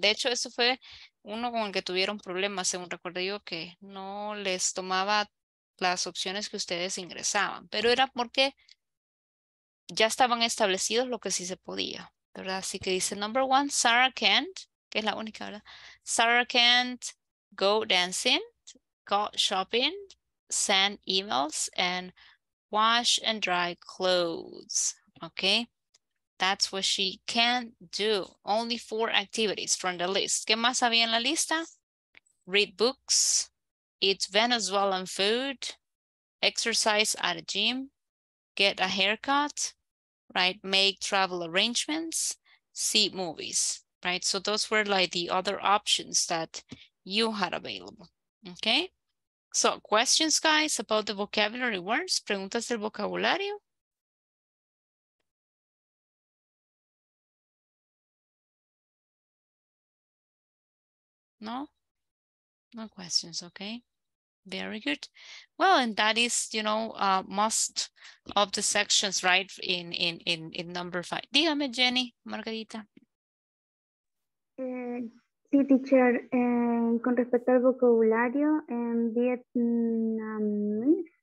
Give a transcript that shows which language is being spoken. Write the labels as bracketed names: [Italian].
[Spanish] De hecho, eso fue uno con el que tuvieron problemas, según recuerdo yo, que no les tomaba las opciones que ustedes ingresaban. Pero era porque ya estaban establecidos lo que sí se podía, ¿verdad? Así que dice, [English] number one, [Spanish] Sarah Ken, que es la única, ¿verdad? [English] Sarah Ken, go dancing, go shopping, send emails and wash and dry clothes. Okay, that's what she can do. Only four activities from the list. [Spanish] ¿Qué más había en la lista? [English] Read books, eat Venezuelan food, exercise at a gym, get a haircut, right? Make travel arrangements, see movies, right? So those were like the other options that you had available. Okay. So, questions, guys, about the vocabulary words. [Spanish] ¿Preguntas del vocabulario? [English] No? No questions, okay. Very good. Well, and that is, you know, most of the sections, right, in number five. [Spanish] Dígame, Jenny, Margarita. Sí, teacher, con respecto al vocabulario, en vietnamita,